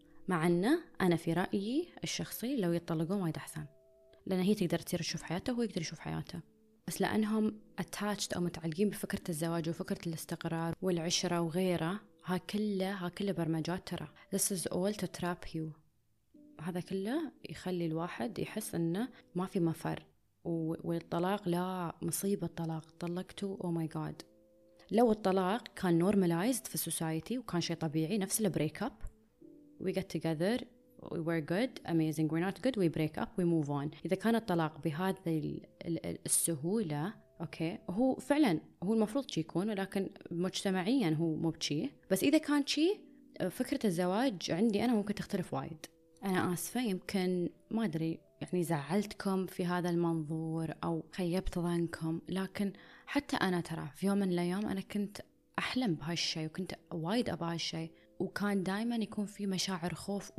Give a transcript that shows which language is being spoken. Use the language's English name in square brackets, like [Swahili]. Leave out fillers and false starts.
[Arabic] مع أنه أنا في رأيي الشخصي لو يطلقون وايد أحسن، لأن هي تقدر تصير تشوف حياته وهو يقدر يشوف حياته، بس لأنهم attached أو متعلقين بفكرة الزواج وفكرة الاستقرار والعشرة وغيره، ها كله برمجات ترى. [English] This is all to trap you. [Arabic] هذا كله يخلي الواحد يحس انه ما في مفر. والطلاق لا مصيبة الطلاق، طلقته [English] oh my god. [Arabic] لو الطلاق كان [English] normalized في society [Arabic] وكان شيء طبيعي نفس البريك اب، [English] we get together, we were good, amazing, we're not good, we break up, we move on. [Arabic] إذا كان الطلاق بهذه السهولة أوكي، هو فعلا هو المفروض شي يكون، ولكن مجتمعيا هو مو بشي. بس إذا كان شي، فكرة الزواج عندي أنا ممكن تختلف وايد. أنا آسفة، يمكن ما أدري يعني زعلتكم في هذا المنظور أو خيبت ظنكم، لكن حتى أنا ترى في يوم من الأيام أنا كنت أحلم بهالشي وكنت وايد أبغى هالشي، وكان دائما يكون في مشاعر خوف.